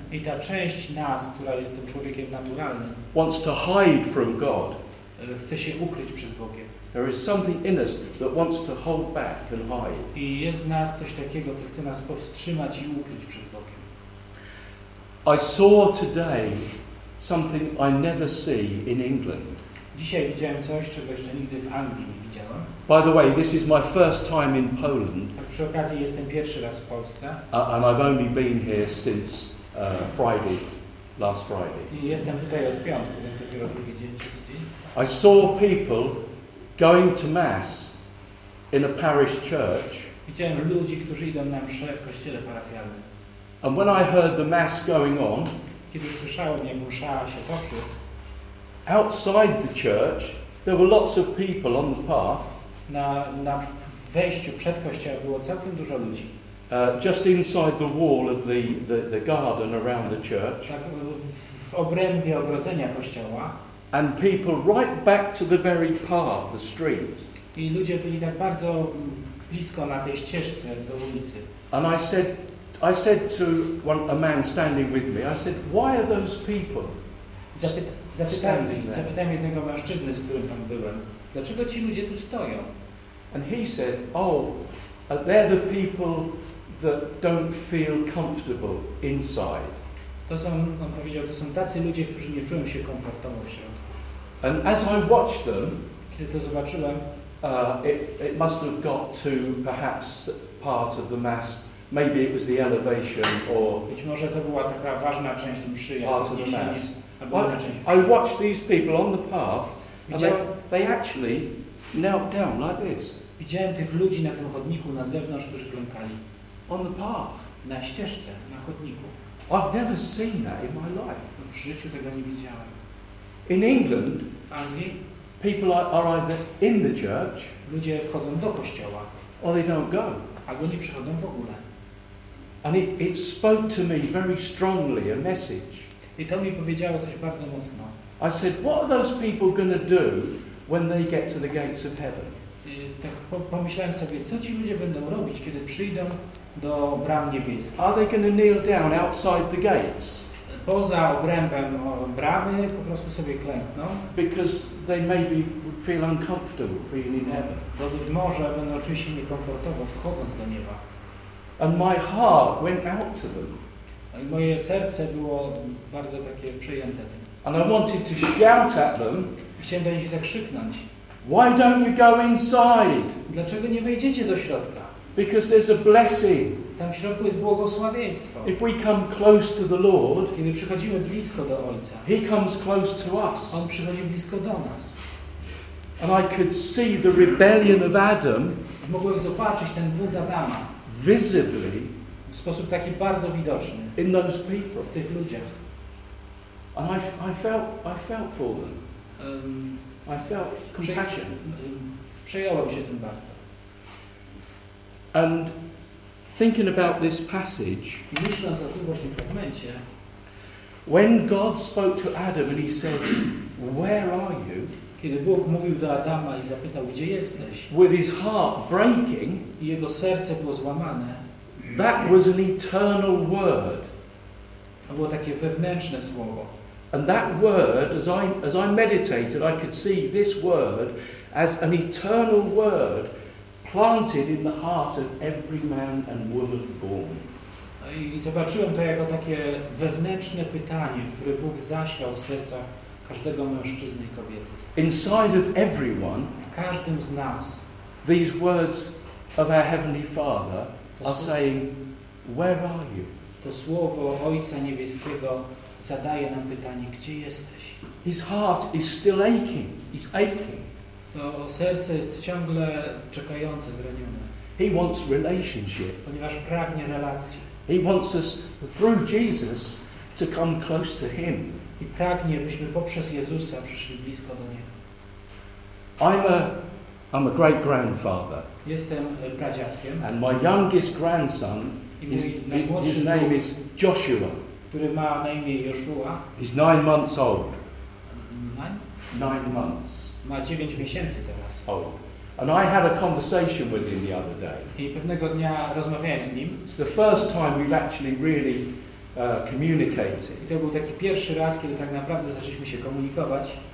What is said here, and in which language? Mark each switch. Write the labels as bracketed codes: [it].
[pl] I ta część nas, która jest tym człowiekiem naturalnym. [en] Wants to hide from God. [pl] Chce się ukryć przed Bogiem. [en] There is something in us that wants to hold back and hide. [pl] I jest w nas coś takiego, co chce nas powstrzymać i ukryć przed Bogiem. [en] I saw today something I never see in England. [pl] Dzisiaj widziałem coś, czego jeszcze nigdy w Anglii nie widziałem. [en] By the way, this is my first time in Poland. [pl] Tak przy okazji jestem pierwszy raz w Polsce. [en] And I've only been here since Friday, last Friday. [pl] I jestem tutaj od piątku, więc dopiero drugi dzień. [en] I saw people going to mass in a parish church. [pl] Widziałem ludzi, którzy idą na mszę w kościele parafialnym. [en] And when I heard the mass going on, [pl] kiedy słyszałem, jak msza się toczy, [en] outside the church there were lots of people on the path. [pl] Na wejściu przed kościołem było całkiem dużo ludzi. [en] Just inside the wall of the garden around the church. [pl] Tak, w obrębie ogrodzenia kościoła. [en] And people right back to the very path, the street. [pl] I ludzie byli tak bardzo blisko na tej ścieżce do ulicy. [en] And I said to one, a man standing with me, I said, why are those people [pl] Zapytałem jednego mężczyzny, z którym tam byłem, dlaczego ci ludzie tu stoją? [en] And he said, oh, they're the people that don't feel comfortable inside. [pl] To są, on powiedział, to są tacy ludzie, którzy nie czują się komfortowo w środku. [en] And as I watched them, [pl] kiedy to zobaczyłem, [en] it must have got to perhaps part of the mass. Maybe it was the elevation or [pl] być może to była taka ważna część mszy, [en] part of the mass. I watched these people on the path, and they actually knelt down like this. [pl] Widziałem tych ludzi na tym chodniku na zewnątrz, którzy klękali. [en] On the path, [pl] na ścieżce, na chodniku. [en] I've never seen that in my life. [pl] W życiu tego nie widziałem. [en] In England, [pl] Anglii, [en] people are either in the church, [pl] ludzie wchodzą do kościoła, [en] or they don't go, [pl] albo nie przychodzą w ogóle. [en] And it spoke to me very strongly a message. [pl] I to mi powiedziało coś bardzo mocno. [en] I said, what are those people going to do when they get to the gates of heaven? [pl] Tak pomyślałem sobie, co ci ludzie będą robić, kiedy przyjdą do bram niebieskich? [en] Are they going to kneel down outside the gates? [pl] Poza obrębem bramy po prostu sobie klękną. [en] Because they maybe feel uncomfortable being in heaven. [pl] Bo być może będą czuć się niekomfortowo wchodząc do nieba. [en] And my heart went out to them. [pl] I moje serce było bardzo takie przejęte tym. [en] And I wanted to shout at them. [pl] Chciałem do nich zakrzyknąć. [en] Why don't you go inside? [pl] Dlaczego nie wejdziecie do środka? [en] Because there's a blessing. [pl] Tam w środku jest błogosławieństwo. [en] If we come close to the Lord, [pl] kiedy przychodzimy blisko do Ojca, [en] He comes close to us. [pl] On przychodzi blisko do nas. [en] And I could see the rebellion of Adam. [pl] Mogłem zobaczyć ten bunt Adama. [en] Visibly. [pl] W sposób taki bardzo widoczny. [en] In those people. [pl] W tych ludziach. [en] And I felt for them. I felt compassion. [pl] Przejąłem się tym bardzo. [en] And thinking about this passage, [pl] myśląc o tym właśnie fragmencie, [en] when God spoke to Adam and he said, where are you? [pl] Kiedy Bóg mówił do Adama i zapytał, gdzie jesteś? [en] With his heart breaking, [pl] i jego serce było złamane, [en] that was an eternal word. [pl] To było takie wewnętrzne słowo. [en] And that word, as I meditated, I could see this word as an eternal word planted in the heart of every man and woman born. [pl] I zobaczyłem to jako takie wewnętrzne pytanie, które Bóg zasiał w sercach każdego mężczyzny i kobiety. [en] Inside of everyone, [pl] w każdym z nas, [en] these words of our Heavenly Father are saying, where are you? [pl] to słowo Ojca Niebieskiego zadaje nam pytanie, gdzie jesteś? [en] His heart is still aching. It's aching. [pl] To serce jest ciągle czekające, zranione. [en] He wants relationship. [pl] Ponieważ pragnie relacji. [en] He wants us through Jesus to come close to Him. [pl] I pragnie, byśmy poprzez Jezusa przyszli blisko do Niego. [en] I'm a great grandfather. [pl] Jestem pradziadkiem. [en] And my youngest grandson, his name is Joshua. [pl] Który ma na imię Joshua. [en] He's 9 months old. Nine months. [pl] Ma 9 miesięcy teraz. Oh. [en] And I had a conversation with him the other day. [pl] I pewnego dnia rozmawiałem z nim. [en] It's the first time we've actually really communicated. [pl] I to był taki pierwszy raz, kiedy tak naprawdę zaczęliśmy się komunikować.